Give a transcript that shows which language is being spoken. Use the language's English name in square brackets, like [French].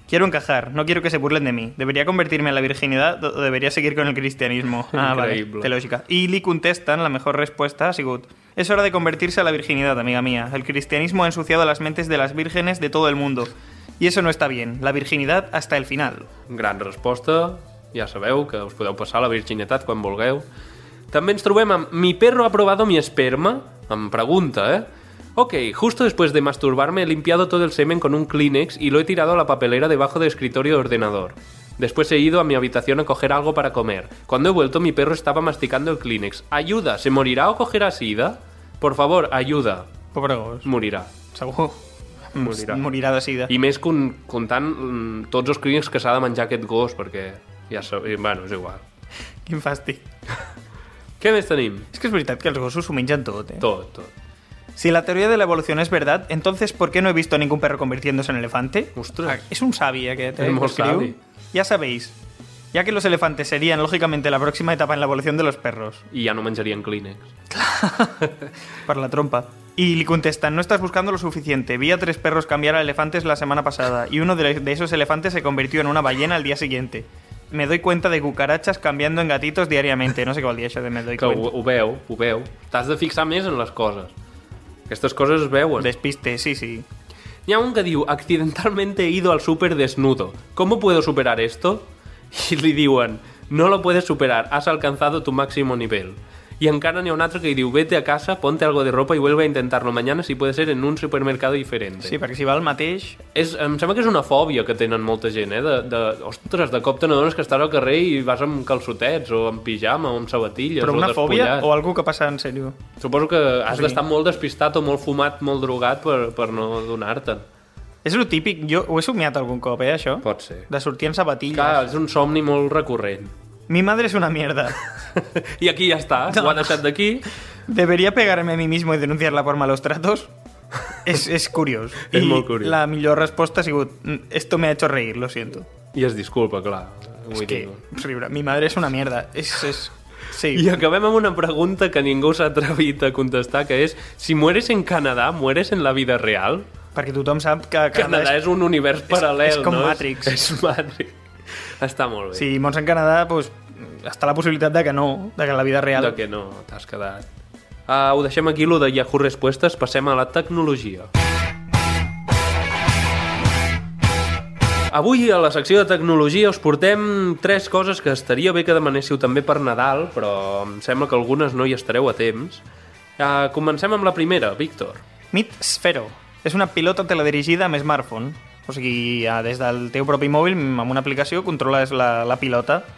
[Spanish] Quiero encajar, no quiero que se burlen de mí. ¿Debería convertirme en la virginidad o debería seguir con el cristianismo? Ah, increíble. Vale, qué lógica. Y Lee contestan, la mejor respuesta, Sigurd. Es hora de convertirse a la virginidad, amiga mía. El cristianismo ha ensuciado las mentes de las vírgenes de todo el mundo. Y eso no está bien. La virginidad hasta el final. Gran respuesta. [Catalan] Ja sabeu que us podeu passar la virginitat quan vulgueu. També ens trobem amb [Spanish] mi perro ha probado mi esperma. [Catalan] Em pregunta, eh? [Spanish] Ok, justo después de masturbarme he limpiado todo el semen con un Kleenex y lo he tirado a la papelera debajo del escritorio de ordenador. Después he ido a mi habitación a coger algo para comer. Cuando he vuelto mi perro estaba masticando el Kleenex. Ayuda, ¿se morirá o cogerá sida? Por favor, ayuda. [Catalan] Pobre gos. [Spanish] Morirá. [Catalan] Segur. [Spanish] Morirá de sida. [Catalan] I més comptant tots els Kleenex que s'ha de menjar aquest gos, perquè ja sabem, bueno, és igual. Quin fàstic. Què més tenim? És que és veritat que els gossos ho mengen tot, eh? Tot, tot. [Spanish] Si la teoría de la evolución es verdad, entonces ¿por qué no he visto ningún perro convirtiéndose en elefante? ¡Ostras! [Catalan] Es un savi, aquest, eh? Es molt savi. [Spanish] Ya sabéis, ya que los elefantes serían, lógicamente, la próxima etapa en la evolución de los perros. Y ya no menjarían Kleenex. [Catalan] Per la trompa. [Spanish] Y li contestan, no estás buscando lo suficiente. Vi a tres perros cambiar a elefantes la semana pasada y uno de esos elefantes se convirtió en una ballena al día siguiente. Me doy cuenta de cucarachas cambiando en gatitos diariamente. [Catalan] No sé què vol dir això de [Spanish] me doy cuenta. [Catalan] Ho veu, ho veu. T'has de fixar més en les coses. Aquestes coses es veuen. Despiste, sí, sí. Hi ha un que diu, [Spanish] accidentalmente he ido al súper desnudo. ¿Cómo puedo superar esto? [Catalan] I li diuen, [Spanish] no lo puedes superar, has alcanzado tu máximo nivel. [Catalan] I encara n'hi ha un altre que li diu, [Spanish] vete a casa, ponte algo de ropa y vuelve a intentarlo mañana si puede ser en un supermercado diferente. [Catalan] Sí, perquè si va el mateix... És, em sembla que és una fòbia que tenen molta gent, eh? Ostres, de cop te n'adones que estàs al carrer i vas amb calçotets o amb pijama o amb sabatilles. Però una o fòbia o algú que passa en sèrio? Suposo que has sí. d'estar molt despistat o molt fumat, molt drogat per no adonar-te'n. És el típic, jo ho he somiat algun cop, eh, això? Pot ser. De sortir en sabatilles. Clar, és un somni molt recurrent. [Spanish] Mi madre es una mierda. Y aquí ya está, no. [Catalan] Ho ha deixat d'aquí. [Spanish] Debería pegarme a mí mismo y denunciarla por malos tratos. Es curioso. Es muy curioso. Y la mejor respuesta ha sido, esto me ha hecho reír, lo siento. Y es disculpa, claro. Es que, riure, mi madre es una mierda. Sí. [Catalan] Y acabem amb una pregunta que ningú s'ha atrevit a contestar, que és, [Spanish] si mueres en Canadà, ¿mueres en la vida real? [Catalan] Perquè tothom sap que Canadà és un univers paral·lel. És com no? Matrix. És Matrix. Està molt bé. Si mors en Canadà, doncs, està la possibilitat de que no, de que la vida real... De que no, t'has quedat. Ho deixem aquí, lo de Yahoo Respuestas, passem a la tecnologia. Avui, a la secció de tecnologia, us portem tres coses que estaria bé que demanéssiu també per Nadal, però em sembla que algunes no hi estareu a temps. Comencem amb la primera, Víctor. [English] Meet Sphero. [Catalan] És una pilota teledirigida amb smartphone. O sigui, des del teu propi mòbil, amb una aplicació, controles la pilota.